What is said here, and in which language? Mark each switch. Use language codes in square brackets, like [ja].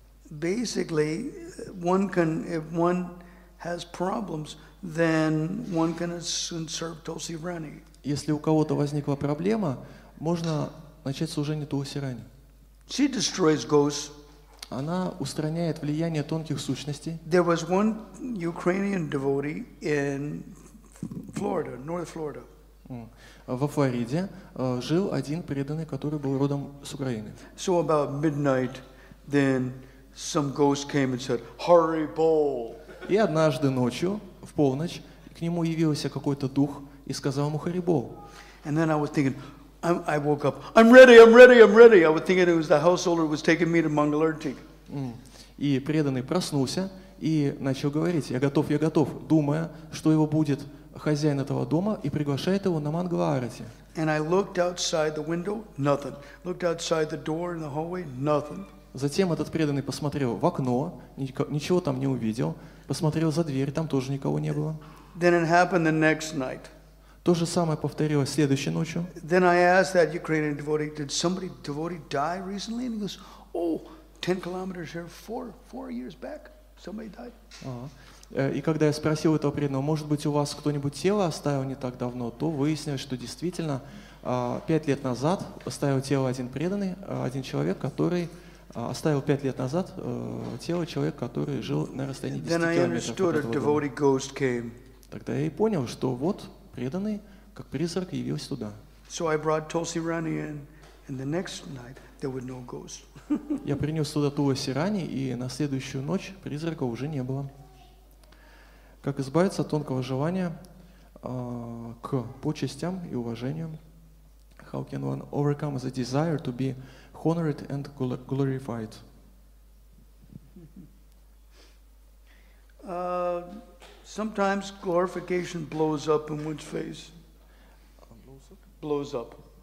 [en] Basically, if one has problems, then one can serve Tulsi Rani. [ru] Если у кого-то возникла проблема, можно начать служение Тулси Рани. [en] She destroys ghosts. [ru] Она устраняет влияние тонких сущностей. [en] There was one Ukrainian devotee in Florida, North Florida. [ru] Во Флориде жил один преданный, который был родом с Украины. [en] So about midnight, then some ghost came and said, "Hurry, ball!" [ru] И однажды ночью, в полночь, к нему явился какой-то дух и сказал ему [en] "Hurry, ball!" And then I was thinking, I woke up, "I'm ready, I'm ready, I'm ready!" I was thinking it was the householder who was taking me to Mangalarti. [ru] И преданный проснулся и начал говорить: "Я готов, я готов", думая, что его будет хозяин этого дома и приглашает его на Мангаларати. [en] And I looked outside the window, nothing. Looked outside the door in the hallway, nothing. [ru] Затем этот преданный посмотрел в окно, ничего там не увидел, посмотрел за дверь, там тоже никого не было. [en] Then it happened the next night. [ru] То же самое повторилось следующей ночью. [en] Then I asked that Ukrainian devotee, did somebody devotee die recently? And he goes, oh, 10 kilometers here, four years back, somebody died. [ru] И когда я спросил этого преданного, может быть, у вас кто-нибудь тело оставил не так давно, то выяснилось, что действительно 5 лет назад оставил тело один преданный, один человек, который оставил 5 лет назад тело человека, который жил на расстоянии 10 км. Тогда я и понял, что вот преданный, как призрак, явился туда. [en] So I brought Tulsi Rani in, and the next night there were no ghosts. [ru] Я принес туда Тулси Рани, и на следующую ночь призрака уже не было. Как избавиться от тонкого желания к почестям и уважению? [en] How can one overcome the desire to be honored and glorified? Sometimes glorification blows up in one's face. Blows up.